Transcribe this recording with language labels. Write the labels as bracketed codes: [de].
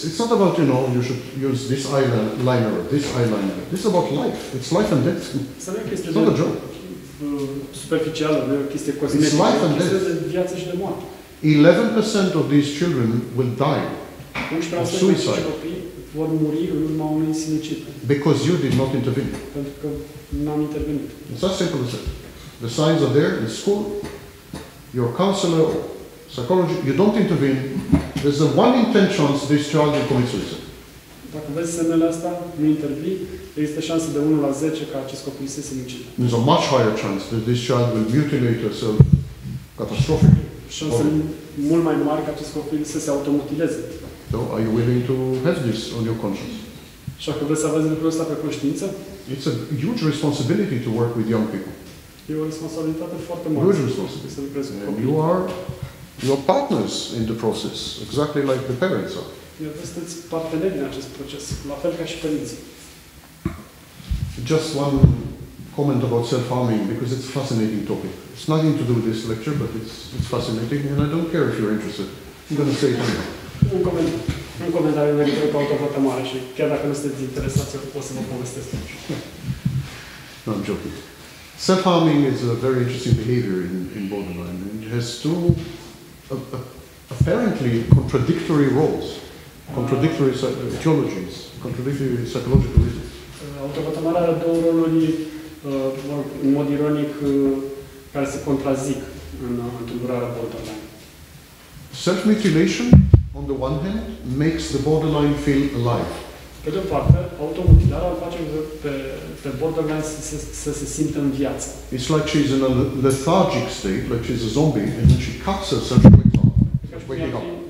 [en] It's not about, you know, you should use this eyeliner, this eyeliner. This is about life. It's life and death. It's not a joke. [ro] Superficială, nu e o chestie cosmetică. [en] It's life and death. [ro] E o chestie de viață și de moarte. [en] 11% of these children will die of suicide [ro] vor muri în urma unui sinucid. [en] Because you did not intervene. [ro] Pentru că n-am intervenit. [en] It's as simple as that. The signs are there in school, your counselor, psychology, you don't intervene. There's a 1 in 10 chance this child will commit suicide. [ro] Dacă vezi semnele astea, nu intervii, există șansă de 1 la 10 ca acest copil să se sinucidă. [en] There's a much higher chance that this child will mutilate herself catastrophically. [ro] Șanse mult mai mari ca acest copil să se automutileze. [en] So, are you willing to have this on your conscience? [ro] Și dacă vreți să aveți lucrul ăsta pe conștiință? [en] It's a huge responsibility to work with young people. [ro] E o responsabilitate foarte mare. [en] Huge responsibility. [ro] Să lucrezi cu copii. [en] You are partners in the process, exactly like the parents are. [ro] Iar sunteți parteneri în acest proces, la fel ca și părinții. [en] Just one comment about self-harming, because it's a fascinating topic. It's nothing to do with this lecture, but it's fascinating, and I don't care if you're interested. I'm going to say it anyway. [ro] Un comentariu în legătură cu autovătămare și chiar dacă nu sunteți interesați, eu pot să vă povestesc. [en] No, I'm joking. Self-harming is a very interesting behavior in borderline, and it has two apparently contradictory roles, contradictory etiologies, contradictory psychological reasons. [ro] Autovătămarea are două roluri, în mod ironic, care se contrazic în tulburarea borderline. [en] Self-mutilation, on the one hand, makes the borderline feel alive. [ro] Pe de-o parte, automutilarea face pe borderline să se simtă în viață. [en] It's like she's in a lethargic state, like she's a zombie, and then she cuts herself and wakes up.